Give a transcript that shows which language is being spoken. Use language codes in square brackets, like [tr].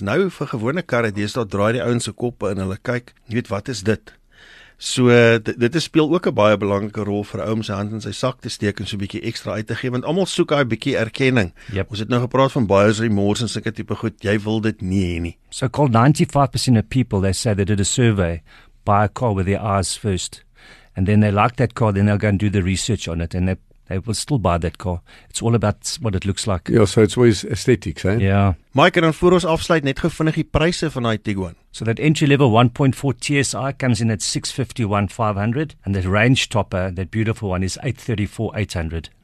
[af] Nou vir gewone karre, deesdae draai die ouens se koppe en hulle kyk, jy weet wat is dit? So dit speel ook 'n baie belangrike rol vir ou om sy hand in sy sak te steek en so 'n bietjie ekstra uit te gee, want almal soek daai bietjie erkenning. [en] Yep. [af] Ons het nou gepraat van buyer's remorse en sulke tipe goed, jy wil dit nie hê nie. [en] So called 95% of people, they say they did a survey, buy a car with their eyes first, and then they like that car, then they'll go and do the research on it, and they will still buy that car. It's all about what it looks like. Yeah, so it's always aesthetics, eh? Yeah. [af] Mike, en dan voor ons afsluit, net gou vinnig die pryse van die Tiguan. [en] So that entry-level 1.4 TSI comes in at 651,500, and the range topper, that beautiful one, is 834,800.